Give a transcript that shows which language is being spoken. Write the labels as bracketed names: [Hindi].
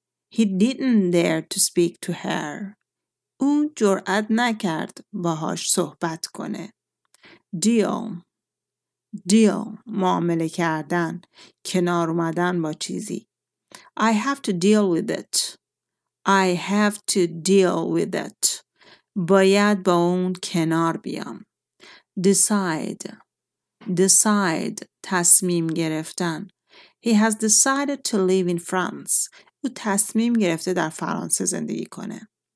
[English] He didn't dare to speak to her. [Persian] اون جرأت نکرد باهاش صحبت کنه. Deal, معامله کردن، کنار اومدن با چیزی. [English] I have to deal with it. [Persian] باید با اون کنار بیام. Decide, تصمیم گرفتن. [English] He has decided to live in France. [Persian] او تصمیم گرفته در فرانسه زندگی کنه.